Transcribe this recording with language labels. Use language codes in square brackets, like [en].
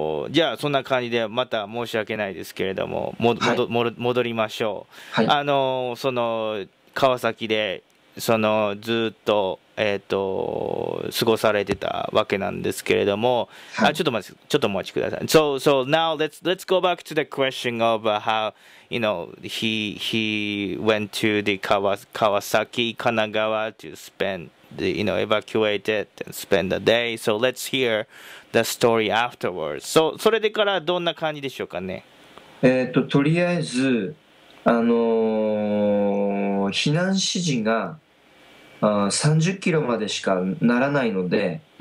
[ja] じゃあそんな感じでまた申し訳ないですけれども、戻りましょう。はい、その川崎でそのずっと過ごされてたわけなんですけれども、はい、ちょっとお待ちください。 [en] So now let's go back to the question of how you know he went to the Kawasaki Kanagawa to spend the you know evacuated and spend the day. So let's hear the story afterwards. [ja] So それでからどんな感じでしょうかね。とりあえず避難指示が30キロまでしかならないので、